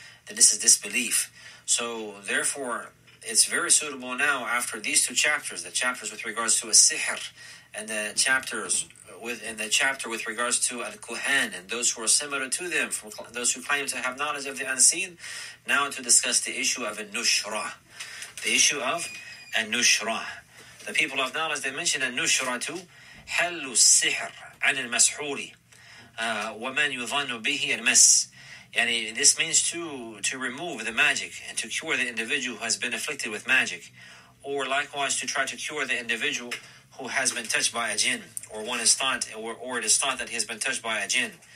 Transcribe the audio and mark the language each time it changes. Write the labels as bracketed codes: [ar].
[en] Then this is disbelief. So therefore, it's very suitable now after these two chapters, the chapters with regards to a sihr, and the chapter with regards to al-kuhan, and those who are similar to them, from those who claim to have knowledge of the unseen, now to discuss the issue of al-nushra. The issue of al-nushra. The people of knowledge, they mention al-nushra to halu sihr. [ar] عن المسحوري ومن يظن به المس. يعني [en] this means to remove the magic and to cure the individual who has been afflicted with magic, or likewise to try to cure the individual who has been touched by a jinn, or one is thought, or it is thought that he has been touched by a jinn.